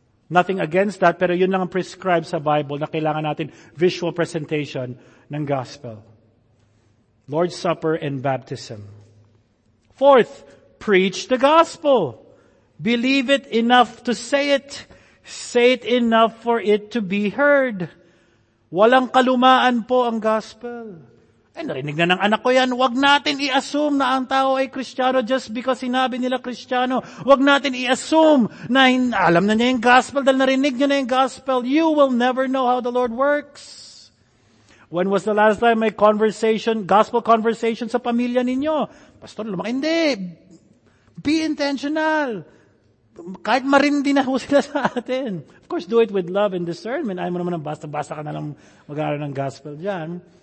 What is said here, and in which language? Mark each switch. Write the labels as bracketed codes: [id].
[en] Nothing against that, [tl] pero yun lang ang prescribed sa Bible na kailangan natin visual presentation ng gospel. [en] Lord's Supper and baptism. Fourth, preach the gospel. Believe it enough to say it. Say it enough for it to be heard. [tl] Walang kalumaan po ang gospel. Ay, narinig na ng anak ko yan. Huwag natin i-assume na ang tao ay Kristiyano [en] just because [tl] sinabi nila Kristiyano. Huwag natin i-assume na alam na niya yung gospel dahil narinig niya na yung gospel. [en] You will never know how the Lord works. When was the last time [tl] may conversation, [en] gospel conversation [tl] sa pamilya ninyo? Pastor, lumaki. Hindi. [en] Be intentional. [tl] Kahit marindi na ho sila sa atin. [en] Of course, do it with love and discernment. [tl] Ayaw mo naman ang basta-basta ka nalang mag-aaral ng gospel dyan.